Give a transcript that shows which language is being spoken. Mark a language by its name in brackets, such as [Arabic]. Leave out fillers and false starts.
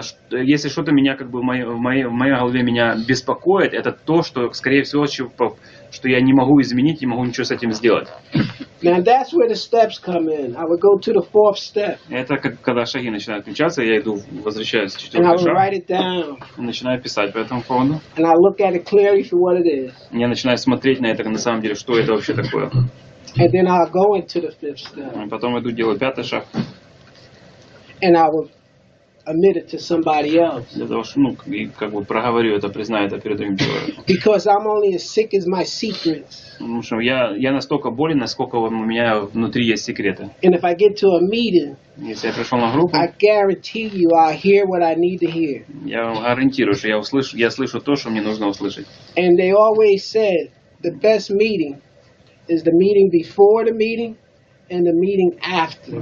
[Russian] Если что-то меня как бы в моей голове меня беспокоит, это то, что скорее всего, что я не могу изменить, не могу ничего с этим сделать. [English] Now that's where the steps come in. I would go to the fourth step. [Russian] Это как когда шаги начинают включаться, я иду, возвращаюсь к четвертому шагу. [English] And I would write it down. [Russian] Начинаю писать по этому поводу. [English] And I look at it clearly for what it is. [Russian] Я начинаю смотреть на это на самом деле, что это вообще такое. [English] And then I'll go into the fifth step. [Russian] И потом иду делать пятый шаг. [English] And I will admit it to somebody else. [Russian] Для того, чтобы, ну, и как бы проговорю это, признаю это перед другим человеком. [English] Because I'm only as sick as my secrets. [Russian] Потому что я настолько болен, насколько у меня внутри есть секреты. [English] And if I get to a meeting, [Russian] если я пришел на группу, [English] I guarantee you I'll hear what I need to hear. [Russian] Я вам гарантирую, что я слышу то, что мне нужно услышать. [English] And they always said the best meeting is the meeting before the meeting and the meeting after.